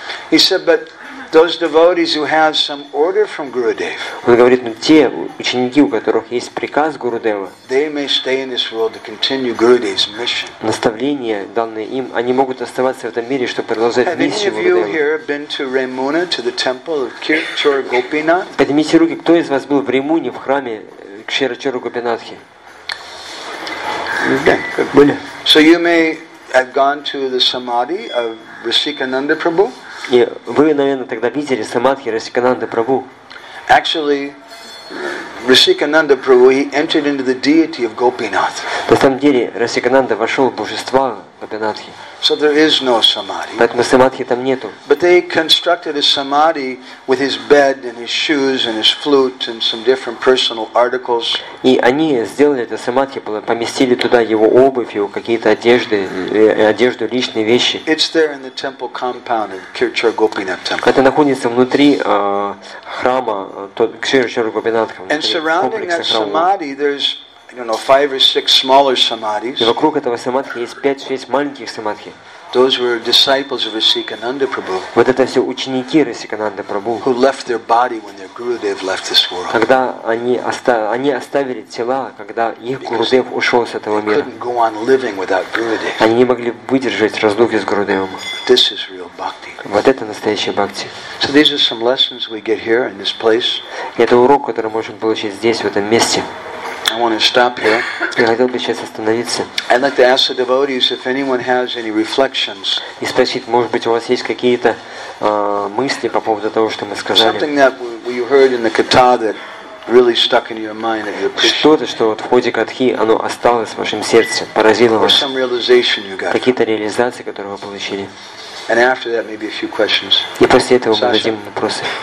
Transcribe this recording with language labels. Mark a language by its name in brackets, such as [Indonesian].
[English] He said, "But those devotees who have some order from Gurudev." [Russian] Он говорит, ну те ученики, у которых есть приказ Гурудева. [English] They may stay in this world to continue Gurudev's mission. [Russian] Наставления, данные им, они могут оставаться в этом мире, чтобы продолжать миссию Гурудева. [English] Have any of you here been to Raimuna, to the temple of Kshetra Gopinath? [Russian] Поднимите руки, кто из вас был в Раймуне, в храме Кшетра Гопинатхи? [English] So you may have gone to the samadhi of Rishikananda Prabhu. [Russian] Вы, наверное, тогда видели самадхи Рисикананда Прабху. [English] Actually, Rishikananda Prabhu, he entered into the deity of Gopinath. [Russian] На самом деле, Рисикананда вошел в божество Гопинатхи. [English] So there is no samadhi. [Russian] Поэтому самадхи там нету. [English] But they constructed a samadhi with his bed and his shoes and his flute and some different personal articles. [Russian] И они сделали это самадхи, поместили туда его обувь, его какие-то одежды, одежду, личные вещи. [English] It's there in the temple compound at Kshetra Gopinath temple. [Russian] Это находится внутри храма Кшетра Гопинатха. [English] And surrounding that samadhi, there's I don't know, 5 or 6 smaller samadhis. [Russian] И вокруг этого самадхи есть 5-6 маленьких самадхи. [English] Those were disciples of Rishikananda Prabhu. [Russian] Вот это все ученики Рисикананда Прабху. [English] Who left their body when their Gurudev left this world? [Russian] Когда они оставили тела, когда их Гурудев ушел с этого мира. [English] They couldn't go on living without Gurudev. [Russian] Они не могли выдержать разлуки с Гурудевом. [English] This is real bhakti. [Russian] Вот это настоящая бхакти. [English] So these are some lessons we get here in this place. [Russian] Это урок, который мы можем получить здесь, в этом месте. [English] I want to stop here. I'd like to ask the devotees if anyone has any reflections. [Russian] И спросить, может быть, у вас есть какие-то мысли по поводу того, что мы сказали. [English] Something that you heard in the katha that really stuck in your mind that you appreciate. [Russian] Что-то, что вот в ходе катхи оно осталось в вашем сердце, поразило вас. [English] Or some realization you got. [Russian] Какие-то реализации, которые вы получили. [English] And after that, maybe a few questions. [Russian] И после этого мы зададим вопросы.